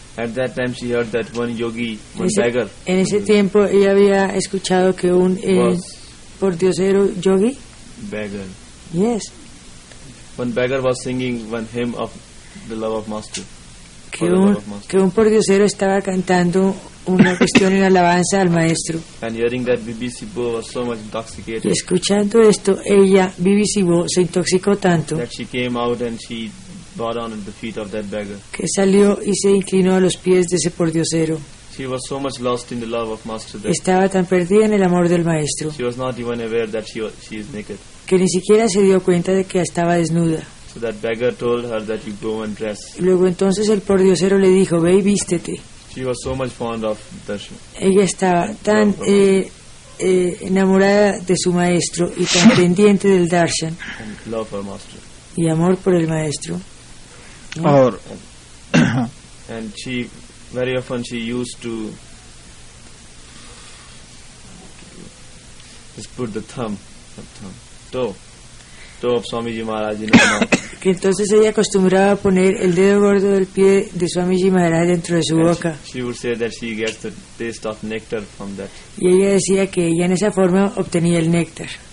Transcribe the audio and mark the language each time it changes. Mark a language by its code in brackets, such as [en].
[en] At that time she heard that one yogi, one beggar. [es] En ese tiempo ella había escuchado que un por diosero yogi [en] beggar. Yes. One beggar was singing one hymn of the love of master. [es] que un, que un pordiosero estaba cantando una cuestión en alabanza al maestro. [en] And hearing that BBC Bo was so much intoxicated. [es] Y escuchando esto, ella, BBC Bo, se intoxicó tanto. [en] That she came out and she bowed down at the feet of that beggar. [es] Que salió y se inclinó a los pies de ese pordiosero. [en] She was so much lost in the love of master. There. [es] Estaba tan perdida en el amor del maestro. [en] She was not even aware that she is naked. [es] Que ni siquiera se dio cuenta de que estaba desnuda. [en] So that beggar told her that you go and dress. [es] Luego entonces el pordiosero le dijo, ve y vístete. [en] She was so much fond of Darshan. [es] Ella estaba tan enamorada de su maestro y tan pendiente del Darshan. [en] And love for master. [es] Y amor por el maestro. Or, [en] and she very often she used to just put the thumb. Toe of Swamiji Maharaj in her mouth. [es] Que entonces ella acostumbraba a poner el dedo gordo del pie de Swamiji Maharaj dentro de su boca. [en] She would say that she gets the taste of nectar from that. [es] Y ella decía que ella en esa forma obtenía el néctar.